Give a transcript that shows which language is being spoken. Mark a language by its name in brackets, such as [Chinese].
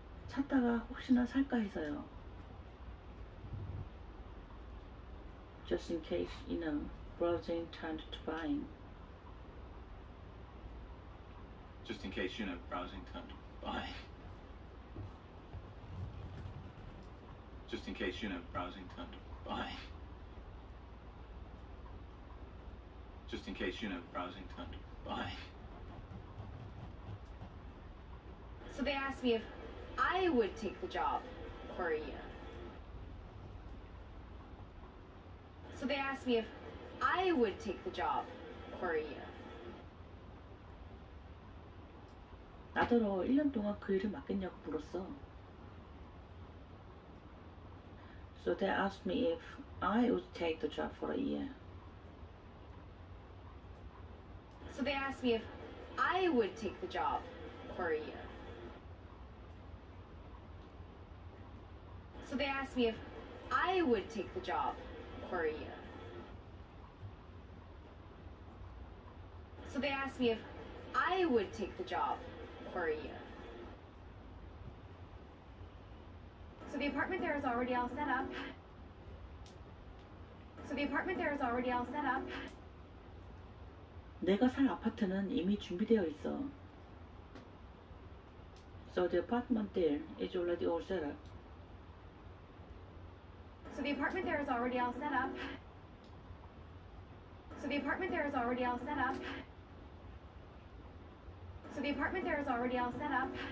[Korean] 찾다가 혹시나 살까 해서요. [English] Just in case, you know, browsing turned to buying. Just in case, you know, browsing turned to buying. Just in case, you know, browsing turned to buying. Just in case, you know, browsing turned to buying. So they asked me if I would take the job for a year. So they asked me if I would take the job for a year. [Korean] 나더러 1년 동안 그 일을 맡겠냐고 물었어. [English] So they asked me if I would take the job for a year. So they asked me if I would take the job for a year. So they asked me if I would take the job for a year. So they asked me if I would take the job for a year. So the apartment there is already all set up. So the apartment there is already all set up. [Korean] 내가 살 아파트는 이미 준비되어 있어. [English] So the apartment there is already all set up. So the apartment there is already all set up. So the apartment there is already all set up. So the apartment there is already all set up.